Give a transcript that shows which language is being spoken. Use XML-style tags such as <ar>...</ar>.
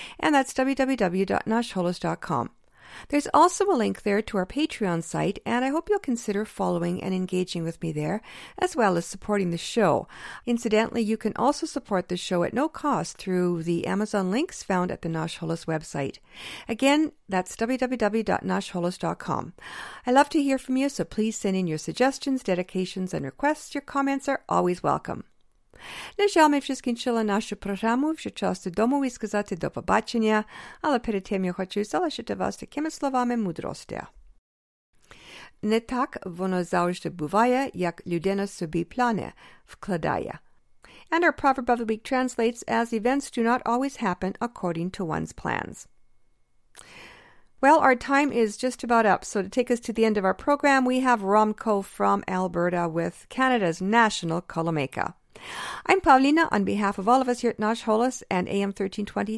<en>And that's www.nashholos.com. There's also a link there to our Patreon site, and I hope you'll consider following and engaging with me there, as well as supporting the show. Incidentally, you can also support the show at no cost through the Amazon links found at the Nash Holos website. Again, that's www.nashholos.com. I love to hear from you, so please send in your suggestions, dedications, and requests. Your comments are always welcome.</en> <uk>На жаль, ми вже скінчили нашу програму, вже час додому і сказати до побачення, але перед тим я хочу залишити вас такими словами мудрості. Не так воно завжди буває, як людина собі плани вкладає.</uk> <en>And our proverb of the week translates as events do not always happen according to one's plans. Well, our time is just about up. So to take us to the end of our program, we have Romko from Alberta with Canada's National Kalameka. I'm Paulina on behalf of all of us here at Nash Holos and AM 1320.</en>